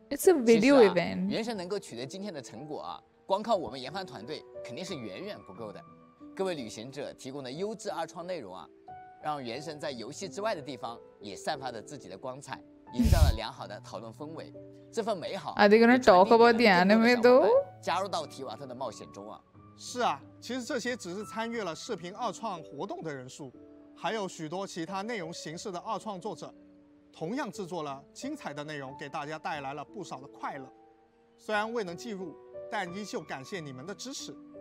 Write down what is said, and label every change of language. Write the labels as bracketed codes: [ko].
[en] It's a video event。 [zh] 原神能够取得今天的成果啊，光靠我们研发团队肯定是远远不够的。各位旅行者提供的优质二创内容啊，让原神在游戏之外的地方也散发着自己的光彩，营造了良好的讨论氛围。这份美好 [en] Are they gonna talk about the anime though? [zh] 加入到提瓦特的冒险中啊。是啊，其实这些只是参与了视频二创活动的人数，还有许多其他内容形式的二创作者同样制作了精彩的内容，给大家带来了不少的快乐。虽然未能计入，但依旧感谢你们的支持。